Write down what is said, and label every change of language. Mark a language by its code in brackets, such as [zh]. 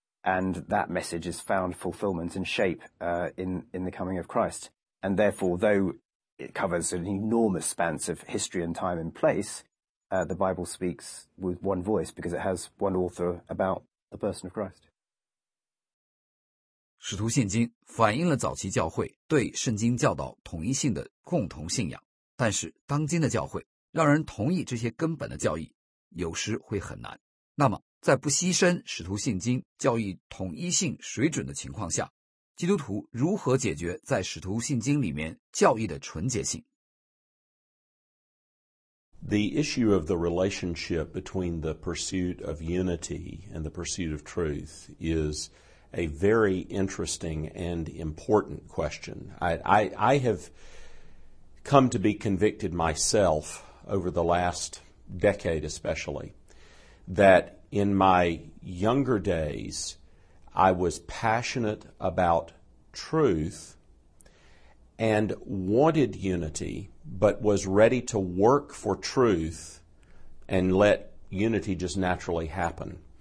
[en] And that message has found fulfillment and shape in the coming of Christ. And therefore, though it covers an enormous span of history and time and place, the Bible speaks with one voice because it has one author about the person of Christ. [zh] 使徒信经反映了早期教会对圣经教导统一性的共同信仰，但是当今的教会让人同意这些根本的教义有时会很难。那么在不牺牲使徒信经教义统一性水准的情况下，基督徒如何解决在使徒信经里面教义的纯洁性？ [en] The issue of the relationship between the pursuit of unity and the pursuit of truth is a very interesting and important question. I have come to be convicted myself over the last decade especially that in my younger days, I was passionate about truth and wanted unity, but was ready to work for truth and let unity just naturally happen.